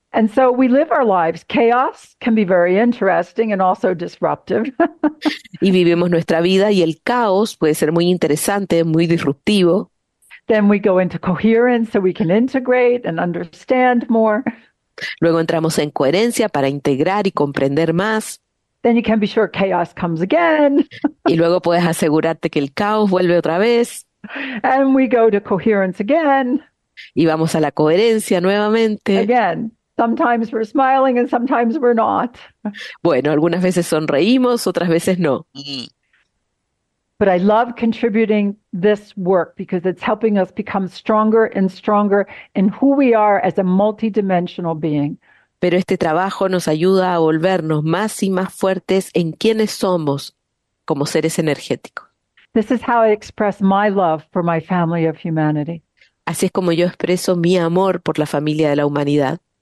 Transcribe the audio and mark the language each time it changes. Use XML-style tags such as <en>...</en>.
<en>And so we live our lives. Chaos can be very interesting and also disruptive.</en> <es>Y vivimos nuestra vida y el caos puede ser muy interesante, muy disruptivo.</es> <en>Then we go into coherence so we can integrate and understand more.</en> <es>Luego entramos en coherencia para integrar y comprender más.</es> <en>Then you can be sure chaos comes again.</en> <es>Y luego puedes asegurarte que el caos vuelve otra vez.</es> <en>And we go to coherence again.</en> <es>Y vamos a la coherencia nuevamente.</es> <en>Again, sometimes we're smiling and sometimes we're not.</en> <es>Bueno, algunas veces sonreímos, otras veces no.</es> <en>But I love contributing this work because it's helping us become stronger and stronger in who we are as a multidimensional being.</en> <es>Pero este trabajo nos ayuda a volvernos más y más fuertes en quienes somos como seres energéticos.</es> <en>This is how I express my love for my family of humanity.</en> <es>Así es como yo expreso mi amor por la familia de la humanidad.</es>